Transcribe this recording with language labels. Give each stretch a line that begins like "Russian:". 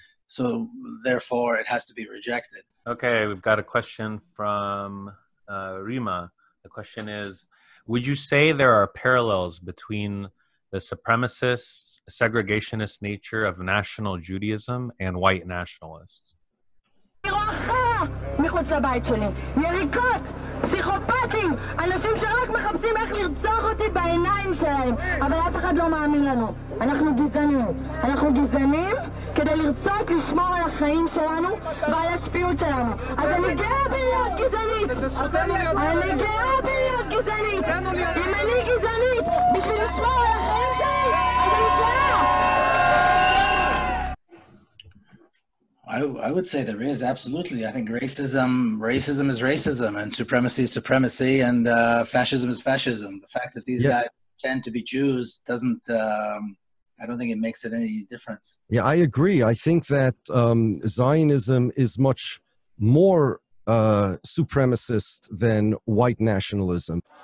English: So therefore, it has to be rejected. Okay, we've got a question from Rima. The question is, would you say there are parallels between the supremacist, segregationist nature of national Judaism and white nationalists?
Hebrew: מחוץ לבית שלי יריקות, פסיכופטים אנשים שרק מחפשים איך לרצוח אותי בעיניים שלהם אבל אף אחד לא מאמין לנו אנחנו גזענים כדי לרצות לשמור על החיים שלנו ועל השפיות שלנו אז אני גאה בלהיות גזענית אני גאה בלהיות גזענית אם אני גזענית בשביל לשמור על החיים שלי אז אני גאה
English: I would say there is, absolutely. I think racism is racism, and supremacy is supremacy, and fascism is fascism. The fact that these guys tend to be Jews doesn't, I don't think it makes it any difference. Yeah, I agree. I think that Zionism is much more supremacist than white nationalism.